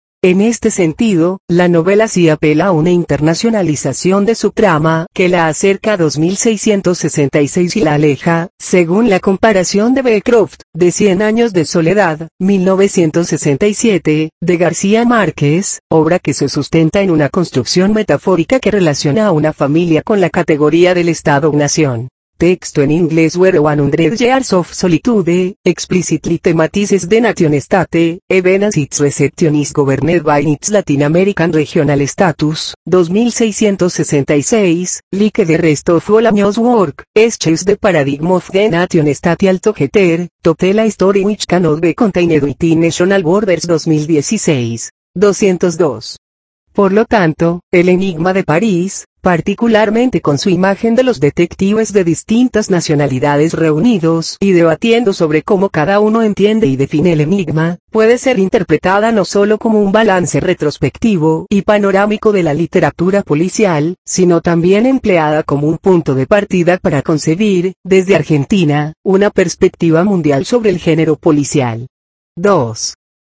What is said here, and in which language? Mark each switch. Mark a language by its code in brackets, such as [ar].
[es] En este sentido, la novela sí apela a una internacionalización de su trama que la acerca a 2666 y la aleja, según la comparación de Beecroft, de Cien años de soledad, 1967, de García Márquez, obra que se sustenta en una construcción metafórica que relaciona a una familia con la categoría del Estado-nación. Texto en inglés: [en] Where One Hundred Years of Solitude explicitly thematizes the nation state, even as its reception is governed by its Latin American regional status, 2666, like the rest of Bolaño's work, sketches the paradigm of the nation state altogether, total a story which cannot be contained within national borders, 2016, 202. [es] Por lo tanto, el enigma de París, particularmente con su imagen de los detectives de distintas nacionalidades reunidos y debatiendo sobre cómo cada uno entiende y define el enigma, puede ser interpretada no solo como un balance retrospectivo y panorámico de la literatura policial, sino también empleada como un punto de partida para concebir, desde Argentina, una perspectiva mundial sobre el género policial. 2.